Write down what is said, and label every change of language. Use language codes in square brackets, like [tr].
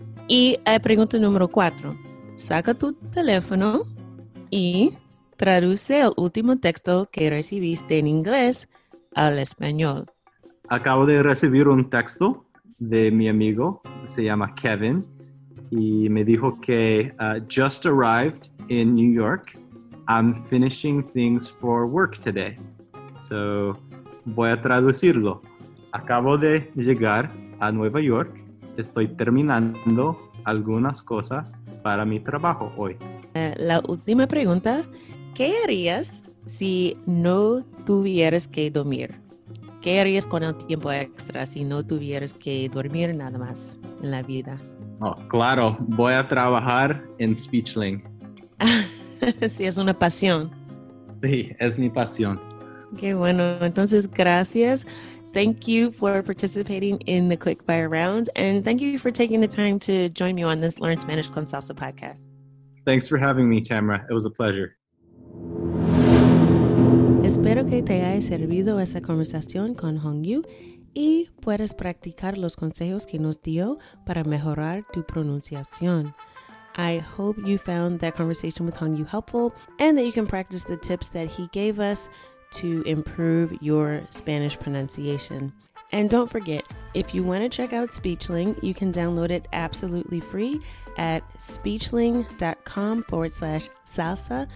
[es] Y pregunta número 4, saca tu teléfono y traduce el último texto que recibiste en inglés al español. Acabo de recibir un texto de mi amigo, se llama Kevin, y me dijo que [en] just arrived in New York. I'm finishing things for work today. [es] So, voy a traducirlo. Acabo de llegar a Nueva York. Estoy terminando algunas cosas para mi trabajo hoy. La última pregunta. ¿Qué harías si no tuvieras que dormir? ¿Qué harías con el tiempo extra si no tuvieras que dormir nada más en la vida? Oh, claro, voy a trabajar en Speechling. Sí, es una pasión. Sí, es mi pasión. Qué bueno. Entonces, gracias. [en] Thank you for participating in the Quick Fire Rounds. And thank you for taking the time to join me on this Learn Spanish con Salsa podcast. Thanks for having me, Tamara. It was a pleasure. [es] Espero que te haya servido esa conversación con Hongyu y puedes practicar los consejos que nos dio para mejorar tu pronunciación. [en] I hope you found that conversation with Hongyu helpful and that you can practice the tips that he gave us to improve your Spanish pronunciation. And don't forget, if you want to check out Speechling, you can download it absolutely free at speechling.com/salsa.